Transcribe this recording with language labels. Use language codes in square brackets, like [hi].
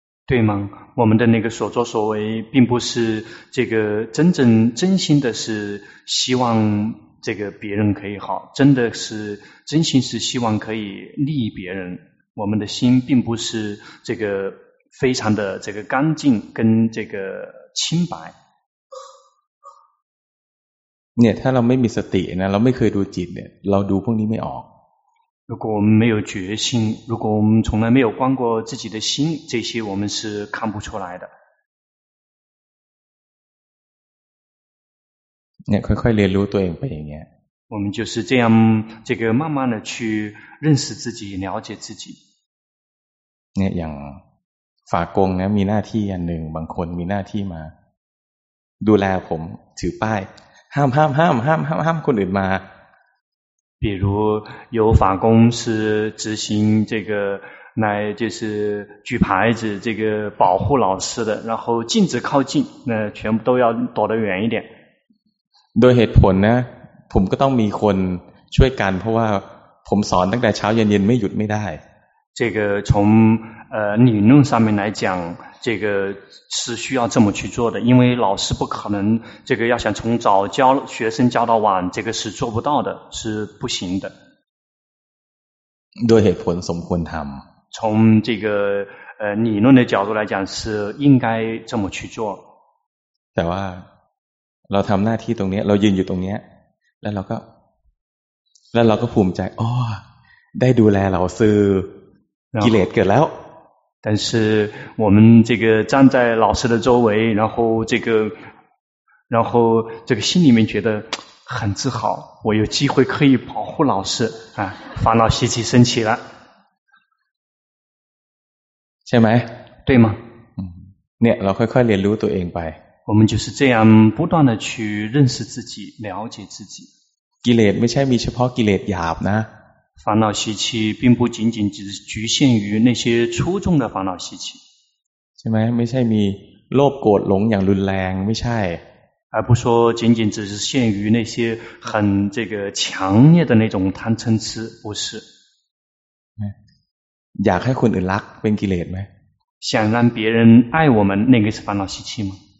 [zh] 对吗我们的那个所作所为并不是这个真心的是希望这个别人可以好真的是真心是希望可以利益别人我们的心并不是这个非常的这个干净跟这个清白 [th] เนี่ยถ้าเราไม่มีสตินะเราไม่เคยดูจิตเนี่ยเราดูพวกนี้ไม่ออก [zh] 如果我们没有决心如果我们从来没有观过自己的心这些我们是看不出来的 [th] เนี่ยค่อยๆเรียนรู้ตัวเองไปอย่างเงี้ย [zh] 我们就是这样这个慢慢的去认识自己了解自己 [th] เนี่ยอย่างฝากงนะมีหน้าที่อันหนึ่งบางคนมีหน้าที่มาดูแลผมถือป้ายห้ามคนอื่นมา [zh] 比如有法工是执行这个来就是举牌子这个保护老师的然后禁止靠近那全部都要躲得远一点 [th] โดยเหตุผลนะผมก็ต้องมีคนช่วยกันเพราะว่าผมสอนตั้งแต่เช้าเย็นๆไม่หยุดไม่ได้ [zh] 这个从理论上面来讲这个是需要这么去做的因为老师不可能这个要想从早教学生教到晚这个是做不到的是不行的 [th] ด้วยเหตุผลสมควรทำ [zh] 从这个理论的角度来讲是应该这么去做 [th] แต่ว่าเราทำหน้าที่ตรงนี้เรายืนอยู่ตรงนี้แล้วเราก็ภูมิใจอ๋อได้ดูแลเหล่าซื้อกิเลสเกิดแล้ว แต่ [zh] 是我们这个站在老师的周围然后这个心里面觉得很自豪我有机会可以保护老师啊烦恼习气升起了 [th] ใช่ไหม [zh] 对吗 [th] เนี่ยเราค่อยๆเรียนรู้ตัวเองไป [zh] 我们就是这样不断的去认识自己了解自己 [th] กิเลสไม่ใช่มีเฉพาะกิเลสหยาบนะ [zh] 烦恼习气并不仅仅只局限于那些粗重的烦恼习气 [th] ใช่ไหมไม่ใช่มีโลภโกรธหลงอย่างรุนแรงไม่ใช่ [zh] 而不说仅仅只是限于那些很这个强烈的那种贪嗔痴不是 [th] อยากให้คนอื่นรักเป็นกิเลสไหม [zh] 想让别人爱我们那个是烦恼习气吗